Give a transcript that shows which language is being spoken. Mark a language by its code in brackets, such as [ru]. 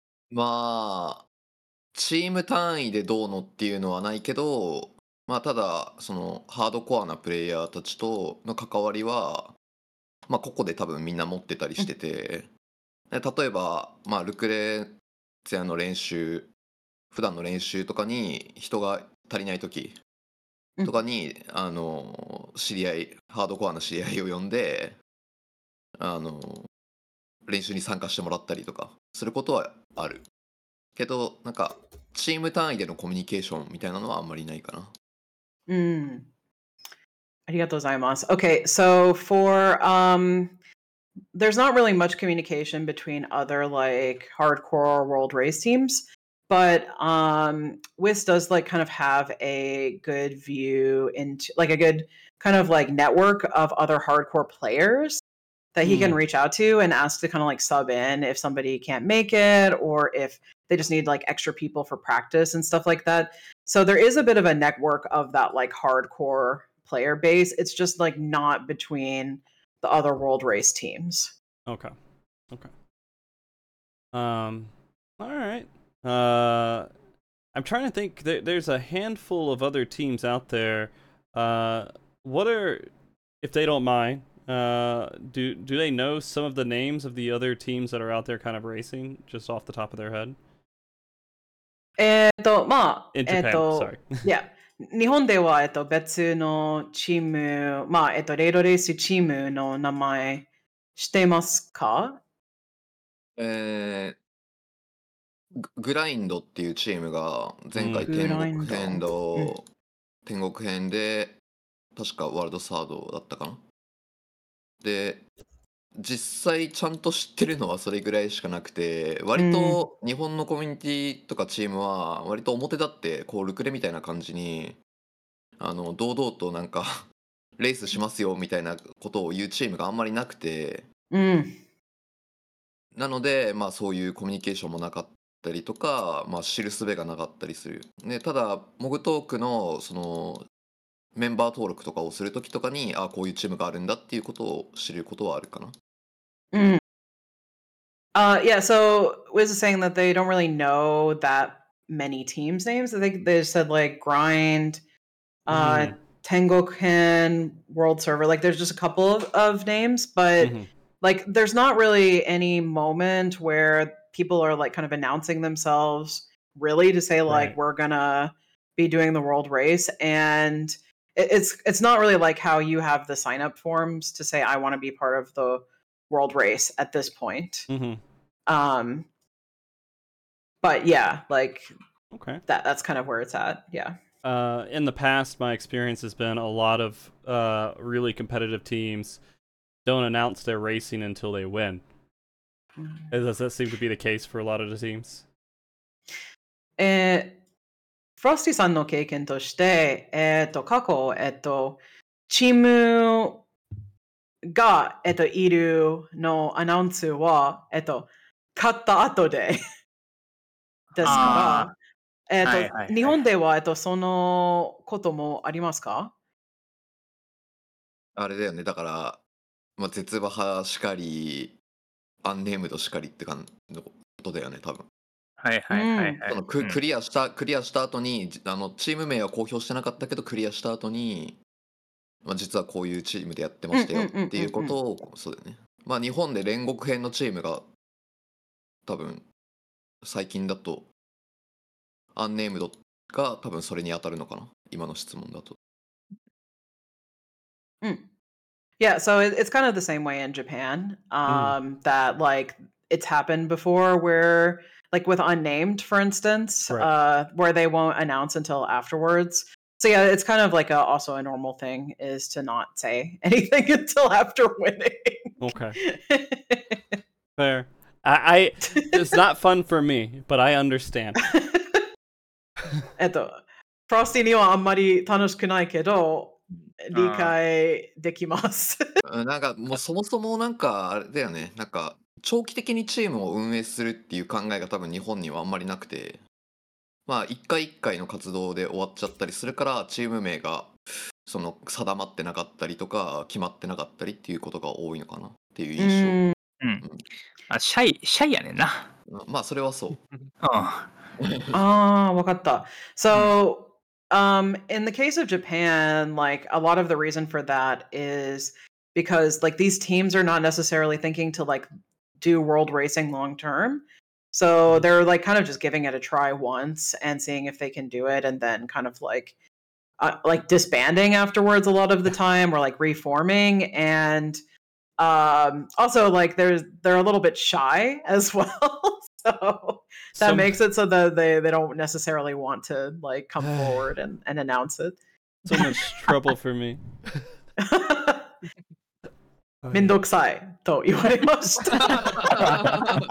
[ja] まあ、チーム単位でどうのっていうのはないけど、まあ、ただ、その、ハードコアなプレイヤーたちとの関わりは、まあ、ここで多分みんな持ってたりしてて、例えば、まあ、ルクレツヤの練習、普段の練習とかに人が足りない時とかに、あの、知り合い、ハードコアな知り合いを呼んで、あの練習に参加してもらったりとかすることはあるけど、なんかチーム単位でのコミュニケーションみたいなのはあんまりないかな。うん、ありがとうございます。 [en] OK, so for there's not really much communication between other like hardcore world race teams, but WIS does like kind of have a good view into like a good kind of like network of other hardcore players that he can reach out to and ask to kind of like sub in if somebody can't make it or if they just need like extra people for practice and stuff like that. So there is a bit of a network of that like hardcore player base. It's just like not between the other world race teams. Okay. Okay. All right. I'm trying to think. There's a handful of other teams out there. What are, if they don't mind, do they know some of the names of the other teams that are out there kind of racing just off the top of their head? まあ、 in Japan, sorry. Yeah. [ja] 日本では別のチーム、まあ、レイドレースチームの名前してますか？グラインドっていうチームが前回天国編で、天国編で確かワールドサードだったかな？で実際ちゃんと知ってるのはそれぐらいしかなくて、割と日本のコミュニティとかチームは割と表立ってこうルクレみたいな感じにあの堂々となんかレースしますよみたいなことを言うチームがあんまりなくて、うん、なのでまあそういうコミュニケーションもなかったりとか、まあ、知るすべがなかったりする。でただモグトークのそのメンバー登録とかをするときとかに、あ、こういうチームがあるんだっていうことを知ることはあるかな。 [en] Yeah, so Wiz is saying that they don't really know that many teams' names. I think they just said like Grind, Tengokken, World Server. Like there's just a couple of names, but like there's not really any moment where people are like kind of announcing themselves really to say like we're gonna be doing the world race. And it's not really like how you have the sign up forms to say I want to be part of the world race at this point. But yeah, like okay, that's kind of where it's at. Yeah. In the past, my experience has been a lot of really competitive teams don't announce their racing until they win. Does that seem to be the case for a lot of the teams? [ja] フロスティさんの経験として、過去、チームが、いるのアナウンスは、勝った後でですから、はいはい、日本では、そのこともありますか？あれだよね、だからまあ、絶馬派しかり、アンネームドしかりって感じのことだよね、多分。はいはいはい、はい、その クリアした、クリアした後に、あのチーム名は公表してなかったけど、クリアした後に、まあ、実はこういうチームでやってましたよっていうことを、そうだよね。まあ、日本で煉獄編のチームが、多分、最近だと、アンネームドが多分それに当たるのかな、今の質問だと。うん。 [en] Yeah, so it's kind of the same way in Japan, that like it's happened before where like with unnamed, for instance, right. Where they won't announce until afterwards. So yeah, it's kind of like a, also a normal thing is to not say anything until after winning. Okay. Fair. I it's not fun for me, but I understand. [ja] Frosty にはあんまり楽しくないけど理解できます。なんかもうそもそもなんかあれだよね、なんか長期的にチームを運営するっていう考えが多分日本にはあんまりなくて、まあ一回一回の活動で終わっちゃったりするからチーム名がその定まってなかったりとか決まってなかったりっていうことが多いのかなっていう印象。うん、うん、あシャイシャイやねんな。まあそれはそう。ああ分かった。 [en] So、うん、in the case of Japan, like a lot of the reason for that is because like these teams are not necessarily thinking to like do world racing long term. So they're like kind of just giving it a try once and seeing if they can do it and then kind of like disbanding afterwards a lot of the time or like reforming. And also like they're a little bit shy as well. So that makes it so that they don't necessarily want to like come forward and announce it. So much trouble for me. [ja] めんどくさいと言われました。